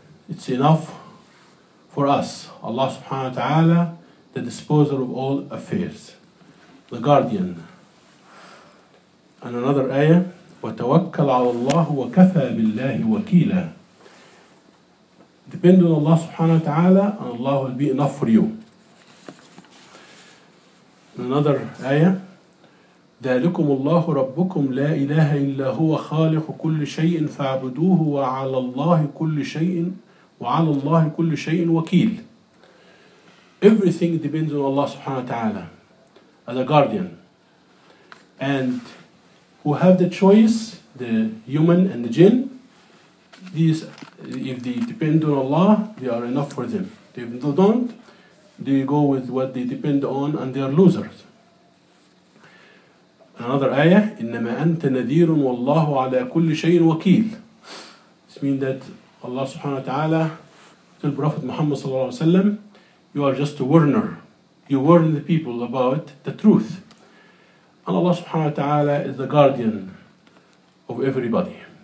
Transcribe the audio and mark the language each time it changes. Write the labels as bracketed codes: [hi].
[en] It's enough for us. Allah subhanahu wa ta'ala, the disposer of all affairs, the guardian. And another ayah, [ar] وتوكل على الله وكفى بالله وكيلا. [en] Depend on Allah subhanahu wa ta'ala and Allah will be enough for you. In another ayah, [ar] ذَلُكُمُ اللَّهُ رَبُّكُمْ لَا إِلَهَ إِلَّا هُوَ خَالِقُ كُلِّ شَيْءٍ فَعْبُدُوهُ وَعَلَى اللَّهِ كُلِّ شَيْءٍ وَعَلَى اللَّهِ كُلِّ شَيْءٍ وَكِيلٌ. [en] Everything depends on Allah subhanahu wa ta'ala as a guardian. And who have the choice, the human and the jinn, if they depend on Allah, they are enough for them. If they don't, they go with what they depend on and they are losers. Another ayah, [ar] إِنَّمَا أَنْتَ نَذِيرٌ وَاللَّهُ عَلَىٰ كُلِّ شَيْءٍ وَكِيلٌ. [en] This means that Allah subhanahu wa ta'ala told Prophet Muhammad sallallahu alayhi wa sallam, you are just a warner. You warn the people about the truth. And Allah subhanahu wa ta'ala is the guardian of everybody.